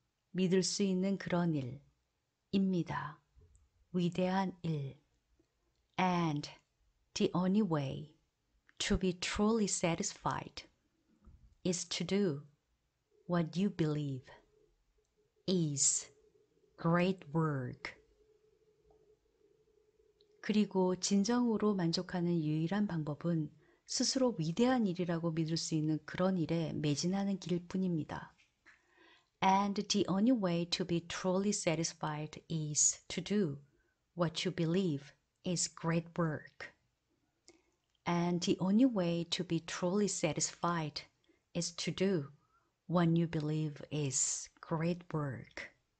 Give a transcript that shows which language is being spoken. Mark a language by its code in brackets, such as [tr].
[ko] 믿을 수 있는 그런 일입니다. 위대한 일. [en] And the only way to be truly satisfied is to do what you believe is great work. [ko] 그리고 진정으로 만족하는 유일한 방법은 스스로 위대한 일이라고 믿을 수 있는 그런 일에 매진하는 길뿐입니다. [en] And the only way to be truly satisfied is to do what you believe is great work. And the only way to be truly satisfied is to do what you believe is great work.